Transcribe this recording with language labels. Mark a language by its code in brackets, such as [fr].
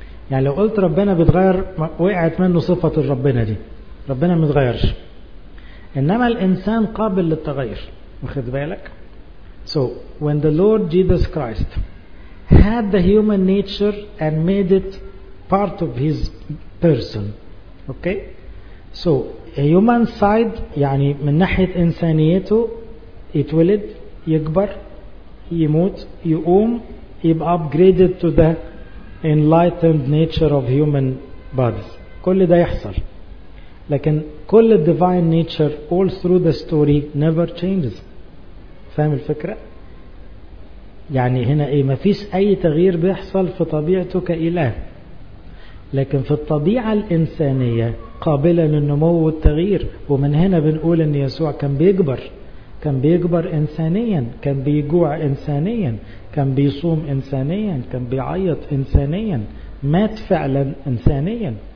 [ar] يعني لو قلت ربنا بيتغير وقعت منه صفة الربنا دي، ربنا متغيرش، إنما الإنسان قابل للتغير. واخد بالك؟ [en] So when the Lord Jesus Christ had the human nature and made it part of his person, okay? So a human side [ar] يعني من ناحية إنسانيته يتولد يكبر يموت يقوم يبقى [en] upgraded to the enlightened nature of human bodies. [ar] كل ده يحصل، لكن كل [en] divine nature all through the story never changes. [ar] فاهم الفكرة؟ يعني هنا ايه، مفيش اي تغيير بيحصل في طبيعته كإله، لكن في الطبيعة الإنسانية قابلة للنمو والتغيير. ومن هنا بنقول ان يسوع كان بيكبر انسانيا، كان بيجوع انسانيا، كان بيصوم انسانيا، كان بيعيط انسانيا، مات فعلا انسانيا.